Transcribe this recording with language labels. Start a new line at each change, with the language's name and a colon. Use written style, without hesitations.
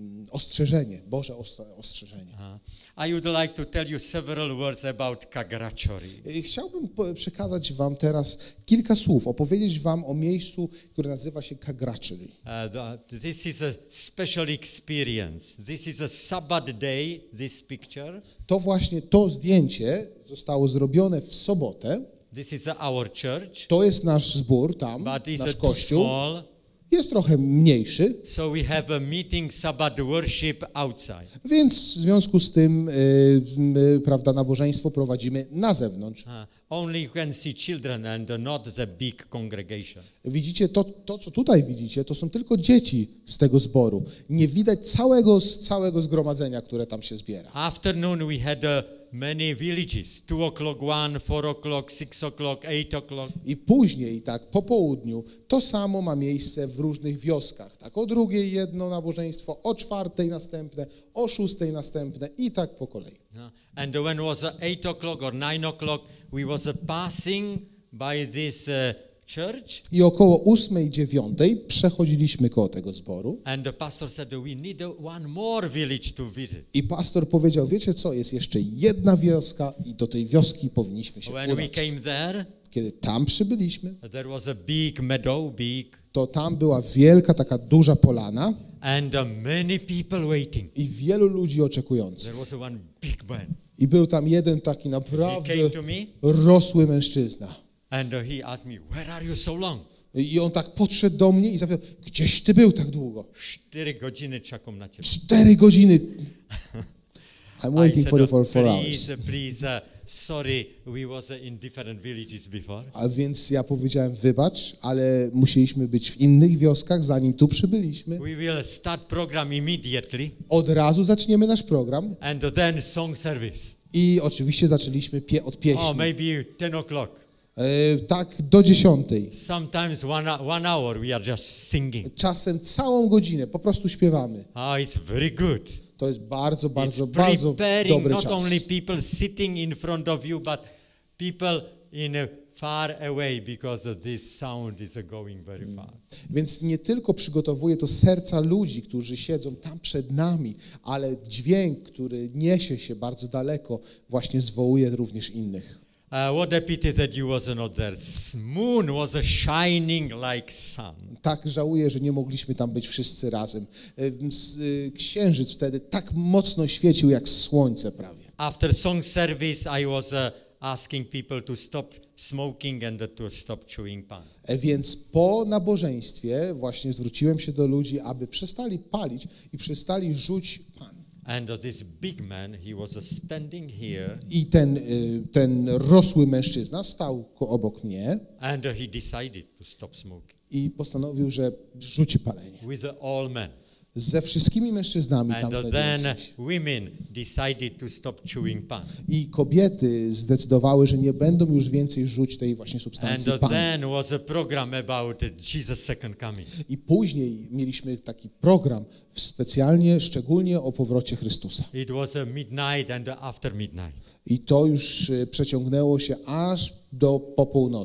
Polish: Ostrzeżenie, Boże ostrzeżenie.
English: I would like to tell you several words about Kagrachori.
Polish: Chciałbym przekazać wam teraz kilka słów, opowiedzieć wam o miejscu, które nazywa się Kagrachori.
English: This is a special experience. This is a Sabbath day, this picture.
Polish: To właśnie to zdjęcie zostało zrobione w sobotę.
English: This is our church.
Polish: To jest nasz zbór tam,
English: but
Polish: nasz
English: it's
Polish: kościół.
English: Too small.
Polish: Jest trochę mniejszy.
English: So we have a meeting Sabbath worship outside.
Polish: Więc w związku z tym prawda, nabożeństwo prowadzimy na zewnątrz.
English: Only you can see children and not the big congregation.
Polish: Widzicie to co tutaj widzicie, to są tylko dzieci z tego zboru. Nie widać całego zgromadzenia, które tam się zbiera.
English: Afternoon we had many villages, 2 o'clock, 1, 4 o'clock, 6 o'clock, 8 o'clock.
Polish: I później, tak po południu, to samo ma miejsce w różnych wioskach. Tak o drugiej jedno nabożeństwo, o czwartej następne, o szóstej następne i tak po kolei.
English: And when was 8 o'clock or 9 o'clock, we was passing by this church.
Polish: I około 8, 9 przechodziliśmy koło tego zboru.
English: And the pastor said we need one more village to visit.
Polish: I pastor powiedział, wiecie co, jest jeszcze jedna wioska i do tej wioski powinniśmy się
English: udać. When we came there,
Polish: Kiedy tam przybyliśmy,
English: there was a big meadow, big,
Polish: to tam była wielka, taka duża polana
English: and many people waiting.
Polish: I wielu ludzi oczekujących.
English: There was one big man.
Polish: I był tam jeden taki naprawdę
English: he came to me,
Polish: rosły mężczyzna.
English: And he asked me, where are you so long?
Polish: I on tak podszedł do mnie i zapytał, gdzieś ty był tak długo? 4 godziny czekam na ciebie. 4 godziny.
English: I'm waiting for four please, hours. Please, sorry, we was in different villages before.
Polish: A więc ja powiedziałem, wybacz, ale musieliśmy być w innych wioskach, zanim tu przybyliśmy.
English: We will start program immediately.
Polish: Od razu zaczniemy nasz program.
English: And then song service.
Polish: I oczywiście zaczęliśmy od pieśni.
English: Oh, maybe 10 o'clock.
Polish: Tak do 10.
English: Sometimes one hour we are just singing.
Polish: Czasem całą godzinę po prostu śpiewamy.
English: Oh, it's very good.
Polish: To jest bardzo, bardzo, bardzo dobry czas.
English: Not only people sitting in front of you, but people in far away, because this sound is going very far.
Polish: Więc nie tylko przygotowuje to serca ludzi, którzy siedzą tam przed nami, ale dźwięk, który niesie się bardzo daleko, właśnie zwołuje również innych.
English: What a pity that you was not there. Moon was a shining like sun.
Polish: Tak żałuję, że nie mogliśmy tam być wszyscy razem. Księżyc wtedy tak mocno świecił jak słońce prawie.
English: After song service I was asking people to stop smoking and to stop chewing pan.
Polish: Więc po nabożeństwie właśnie zwróciłem się do ludzi, aby przestali palić i przestali żuć pan.
English: And this big man, he was standing here.
Polish: I ten rosły mężczyzna stał obok mnie.
English: And he decided to stop smoking.
Polish: I postanowił, że rzuci palenie.
English: With all men.
Polish: Ze wszystkimi mężczyznami
English: and
Polish: tam
English: then women decided to stop chewing pan.
Polish: I kobiety zdecydowały, że nie będą już więcej żuć tej właśnie substancji pan.
English: Then was a program about Jesus' second coming.
Polish: I później mieliśmy taki program specjalnie, szczególnie o powrocie Chrystusa.
English: It was a midnight and after midnight.
Polish: I to już przeciągnęło się aż do popołudnia.